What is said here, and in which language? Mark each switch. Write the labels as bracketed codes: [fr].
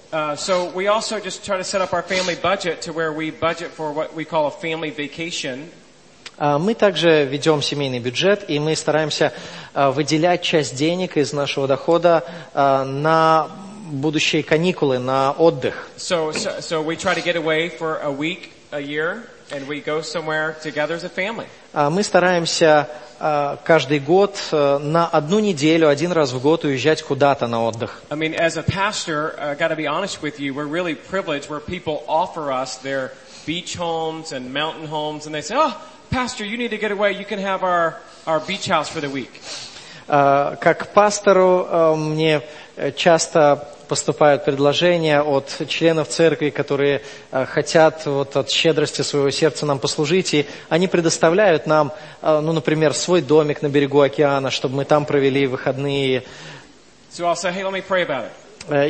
[en] So we also just try to set up our family budget to where we budget for what we call a family vacation. [ru] Мы также ведем семейный бюджет, и мы стараемся выделять часть денег из нашего дохода на будущие каникулы, на отдых. [en] So we try to get away for a week, a year, and we go somewhere together as a family. [ru] Мы стараемся каждый год на одну неделю, один раз в год уезжать куда-то на отдых. [en] I mean, as a pastor, I've got to be honest with you, we're really privileged where people offer us their beach homes and mountain homes, and they say, oh, pastor, you need to get away, you can have our beach house for the week. [ru] Как пастору мне часто поступают предложения от членов церкви, которые хотят вот от щедрости своего сердца нам послужить, и они предоставляют нам, ну, например, свой домик на берегу океана, чтобы мы там провели выходные. [en] So I'll say, hey, let me pray about it.